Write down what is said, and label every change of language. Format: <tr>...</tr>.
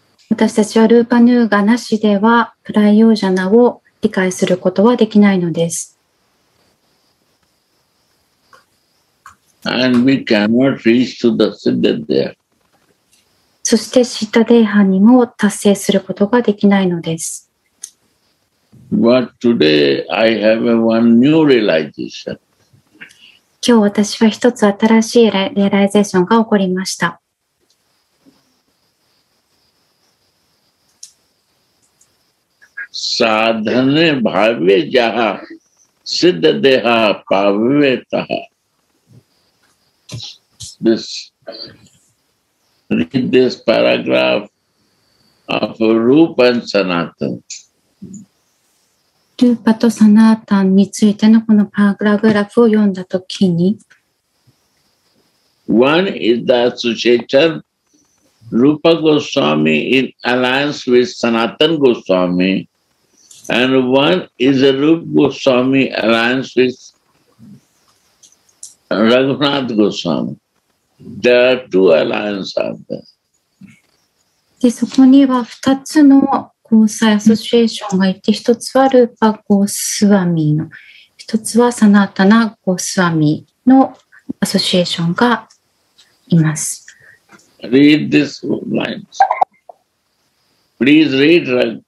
<ja>私たちはルーパヌーガなしではプライヨージャナを理解することはできないのです。</ja> <en>And we cannot reach to the Siddha.</en> <ja>そしてシッタデーハにも達成することができないのです。</ja> <en>But today I have a one new realization.</en> <ja>今日私は一つ新しいリアライゼーションが起こりました。</ja> <bn>Sadhane bhavye jaha siddha deha pavye taha.</bn> <en>This, read this paragraph of Rupa and Sanatana.</en> <ja>Rupa to Sanatana についてのこのパラグラフを読んだときに</ja> <en>One is the association Rupa Goswami in alliance with Sanatana Goswami. And one is a Rupa Goswami alliance with Raghunath Goswami. There are two alliances out there.</en> <ja>で、そこには2つの交際アソシエーションがいて、1つはルーパ・ゴスワミの、1つはサナタナ・ゴスワミのアソシエーションがいます。</ja> <en>Read this line. Please read Raghunath.</en>